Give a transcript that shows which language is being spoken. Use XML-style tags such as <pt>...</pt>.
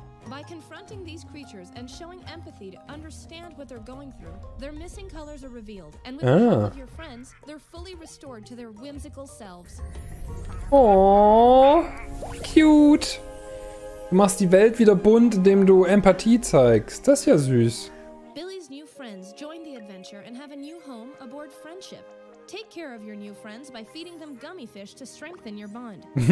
<en>By confronting these creatures and showing empathy to understand what they're going through, their missing colors are revealed, and with the help of your friends, they're fully restored to their whimsical selves. Aww, cute!</en> <de>Du machst die Welt wieder bunt, indem du Empathie zeigst. Das ist ja süß.</de> <en>Billy's new friends join the adventure and have a new home aboard Friendship. Take care of your new friends by feeding them gummy fish to strengthen your bond.</en>